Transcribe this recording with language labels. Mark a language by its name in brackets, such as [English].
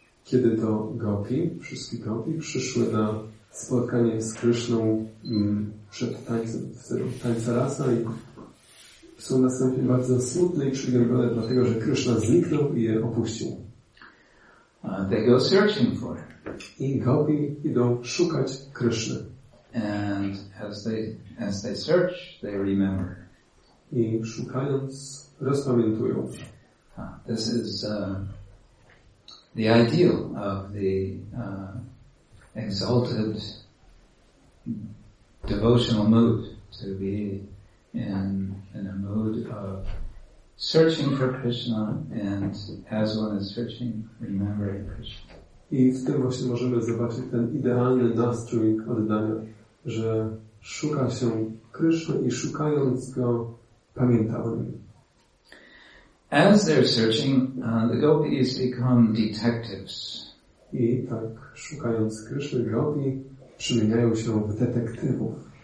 [Polish] Kiedy to gopi, wszystkie gopi przyszły na spotkanie z Krishną przed tańcem rasa i są następnie bardzo smutne i przygnębione, dlatego że Krishna zniknął i je opuścił. [English] They go searching for him. [Polish] I gopi idą szukać Krishny. [English] And as they search, they remember. [Polish] I szukając, rozpamiętują. [English] This is the ideal of the exalted devotional mood to be in a mood of searching for Krishna and as one is searching, remembering Krishna. [Polish] I w tym właśnie możemy zobaczyć ten idealny nastrój oddania, że szuka się Krishna i szukając go, pamięta o nim. [English] As they're searching, the gopis become detectives. [Polish] I tak szukając Krishna, gopi przemieniają się w detektywów.